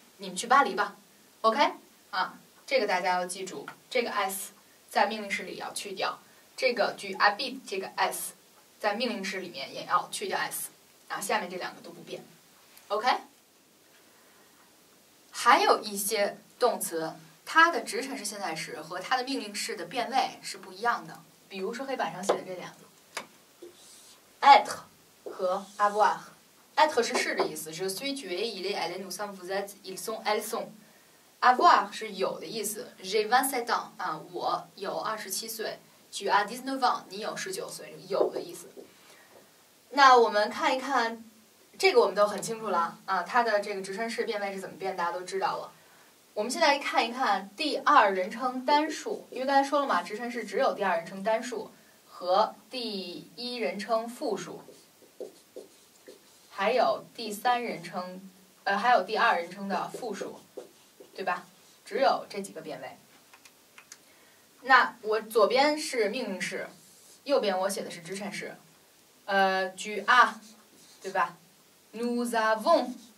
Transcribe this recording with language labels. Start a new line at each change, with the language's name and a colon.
Chinese: 你们去巴黎吧 ，OK 啊，这个大家要记住，这个 s 在命令式里要去掉，这个 du habit 这个 s 在命令式里面也要去掉 s， 啊，下面这两个都不变 ，OK。还有一些动词，它的直陈式现在时和它的命令式的变位是不一样的，比如说黑板上写的这两个 ，être 和 avoir。
French: être
Chinese: 是是的意思
French: ，je suis, tu es, il est, elle est, nous sommes, vous êtes, ils sont, elles sont。
Chinese: avoir 是有的意思 ，
French: j'ai vingt-sept ans
Chinese: 啊，我有27岁 ，
French: tu as dix-neuf ans，
Chinese: 你有19岁，有的意思。那我们看一看，这个我们都很清楚了啊，它的这个直陈式变位是怎么变，大家都知道了。我们现在看一看第二人称单数，因为刚才说了嘛，直陈式只有第二人称单数和第一人称复数。还有第三人称，还有第二人称的复数，对吧？只有这几个变位。那我左边是命令式，右边我写的是直陈式。
French: tu as， 对吧 ？Nous avons，